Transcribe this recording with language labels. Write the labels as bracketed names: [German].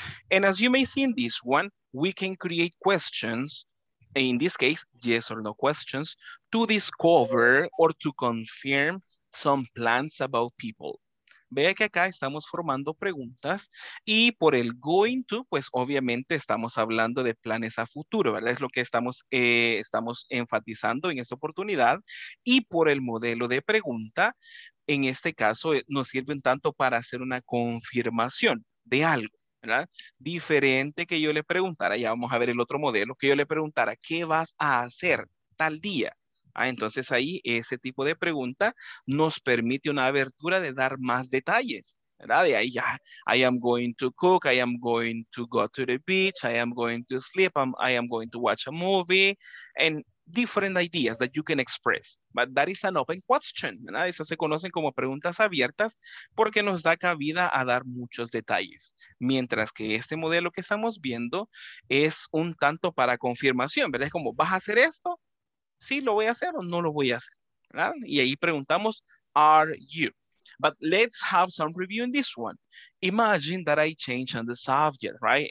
[English] And as you may see in this one, we can create questions, in this case, yes or no questions, to discover or to confirm some plans about people. [Spanish] Vea que acá estamos formando preguntas y por el going to, pues obviamente estamos hablando de planes a futuro, ¿verdad? Es lo que estamos enfatizando en esta oportunidad. Y por el modelo de pregunta, en este caso nos sirve un tanto para hacer una confirmación de algo, ¿verdad? Diferente que yo le preguntara, ya vamos a ver el otro modelo, que yo le preguntara, ¿qué vas a hacer tal día? Ah, entonces ahí ese tipo de pregunta nos permite una abertura de dar más detalles, ¿verdad? De ahí ya, [English] I am going to cook, I am going to go to the beach, I am going to sleep, I am going to watch a movie, and different ideas that you can express. But that is an open question, ¿verdad? [Spanish] Esas se conocen como preguntas abiertas porque nos da cabida a dar muchos detalles. Mientras que este modelo que estamos viendo es un tanto para confirmación, ¿verdad? Es como, ¿vas a hacer esto? Sí, lo voy a hacer o no lo voy a hacer, ¿verdad? Y ahí preguntamos, [English] are you? But let's have some review in this one. Imagine that I change on the subject, right?